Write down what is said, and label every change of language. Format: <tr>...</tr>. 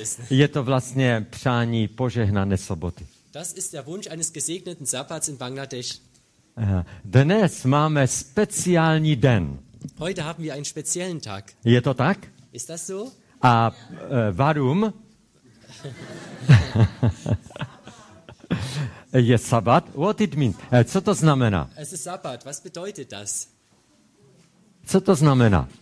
<cs>Je to vlastně přání požehnané soboty.</cs> <de>Das ist der Wunsch eines gesegneten Sabbats in Bangladesch.</de> <cs>Dnes máme speciální den.</cs> <de>Heute haben wir einen speziellen Tag.</de> <cs>Je to tak?</cs> <de>Ist das so? A warum?</de> <cs>Je sabbat?</cs> <en>What it means?</en> <cs>Co to znamená?</cs> <de>Es ist Sabbat. Was bedeutet das?</de> <cs>Co to znamená?</cs>